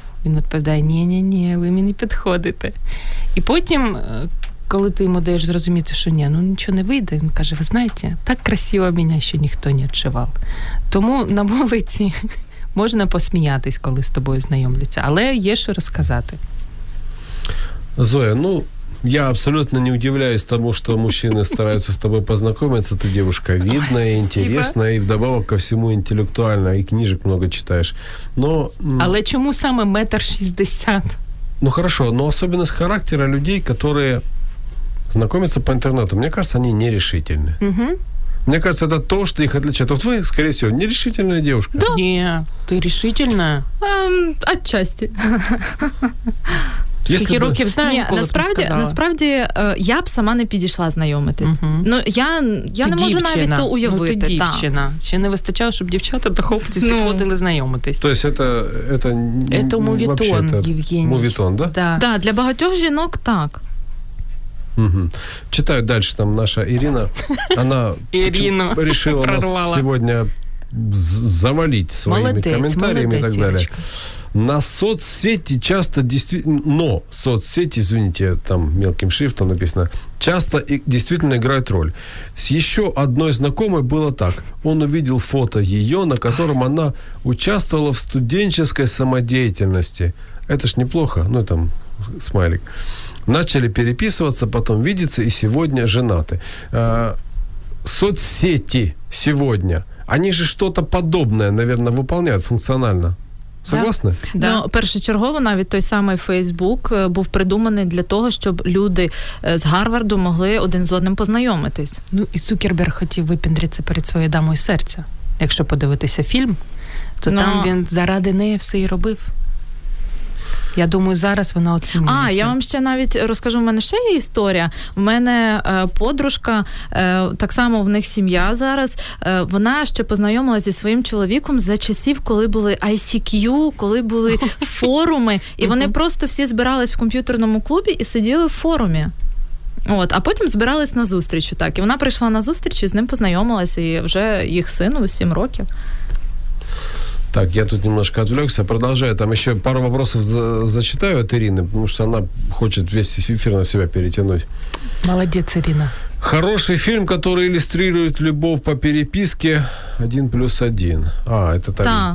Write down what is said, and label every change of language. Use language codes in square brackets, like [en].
[uk] Він відповідає, ні-ні-ні, ви мені підходите. І потім, коли ти йому даєш зрозуміти, що ні, ну, нічого не вийде, він каже, ви знаєте, так красиво мене ще ніхто не відчував. Тому на вулиці можна посміятись, коли з тобою знайомляться, але є що розказати. [ru] Зоя, ну, я абсолютно не удивляюсь тому, что мужчины стараются с тобой познакомиться. Ты девушка видная, спасибо, интересная и вдобавок ко всему интеллектуальная, и книжек много читаешь. Но... [uk] Але чому саме 1,60 м? [ru] Ну, хорошо, но особенность характера людей, которые знакомятся по интернету, мне кажется, они нерешительны. Угу. Мне кажется, это то, что их отличает. Вот вы, скорее всего, нерешительная девушка. Да. Нет, ты решительная. Отчасти. [uk] Скільки років знаєш, коли ти сказала? Насправді, я б сама не підійшла знайомитись. Угу. Ну, я не можу дівчина. Навіть то уявити. Ну, ти дівчина. Та. Чи не вистачало, щоб дівчата та хлопців підходили знайомитись? Тобто, це мувітон, Євгеній. Мувітон, так? Да? Так, для багатьох жінок так. Угу. Читаю далі, там наша Ірина, вона вирішила нас сьогодні завалити своїми коментарями і так далі. [ru] На соцсети часто действительно, но соцсети, извините, там мелким шрифтом написано, часто и действительно играют роль. С еще одной знакомой было так. Он увидел фото ее, на котором она участвовала в студенческой самодеятельности. Это ж неплохо, ну там смайлик. Начали переписываться, потом видеться и сегодня женаты. Соцсети сегодня, они же что-то подобное, наверное, выполняют функционально. Согласна? Так. Да. [uk] Ну, першочергово навіть той самий Фейсбук був придуманий для того, щоб люди з Гарварду могли один з одним познайомитись. Ну, і Цукерберг хотів випіндритися перед своєю дамою серця. Якщо подивитися фільм, то но... там він заради неї все і робив. Я думаю, зараз вона оцінюється. А, я вам ще навіть розкажу, в мене ще є історія. В мене подружка, так само в них сім'я зараз, вона ще познайомилася зі своїм чоловіком за часів, коли були ICQ, коли були форуми, і вони просто всі збирались в комп'ютерному клубі і сиділи в форумі. От, а потім збирались на зустріч, так. І вона прийшла на зустріч і з ним познайомилася, і вже їх сину 7 років. [ru] Так, я тут немножко отвлекся, продолжаю. Там еще пару вопросов зачитаю от Ирины, потому что она хочет весь эфир на себя перетянуть. Молодец, Ирина. Хороший фильм, который иллюстрирует любовь по переписке 1+1. А, это так.